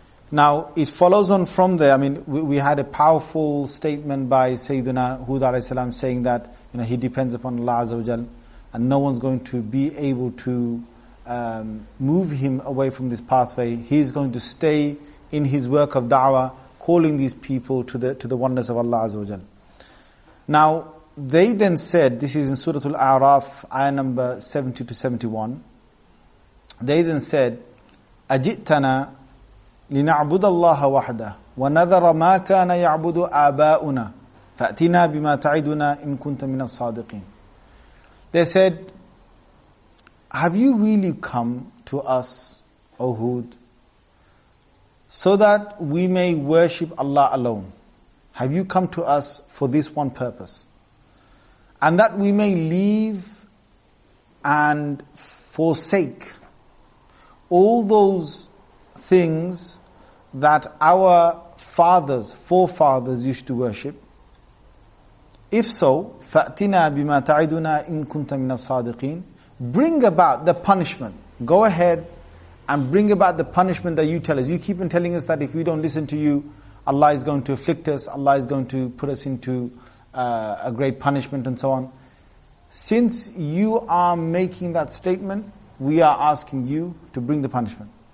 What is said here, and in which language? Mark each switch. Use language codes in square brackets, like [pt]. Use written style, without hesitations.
[en] Now, it follows on from there. I mean, we had a powerful statement by Sayyidina Hud alayhi salam saying that, you know, he depends upon Allah Azza wa Jal, and no one's going to be able to move him away from this pathway. He's going to stay in his work of da'wah, calling these people to the oneness of Allah Azza wa Jal. Now, they then said, this is in Surah Al-A'raf, ayah number 70-71. They then said, [ar] أَجِئْتَنَا لِنَعْبُدَ اللَّهَ وَحْدَهُ وَنَذَرَ مَا كَانَ يَعْبُدُ آبَاؤُنَا فَأْتِنَا بِمَا تَعِدُنَا إِن كُنْتَ مِنَ الصَّادِقِينَ. [en] They said, have you really come to us, O Hud, so that we may worship Allah alone? Have you come to us for this one purpose? And that we may leave and forsake all those things that our fathers, forefathers used to worship? If so, [ar] فَأْتِنَا بِمَا تَعِدُنَا إِن كُنْتَ مِنَ الصَّادِقِينَ. [en] Bring about the punishment. Go ahead and bring about the punishment that you tell us. You keep on telling us that if we don't listen to you, Allah is going to afflict us, Allah is going to put us into a great punishment and so on. Since you are making that statement, we are asking you to bring the punishment.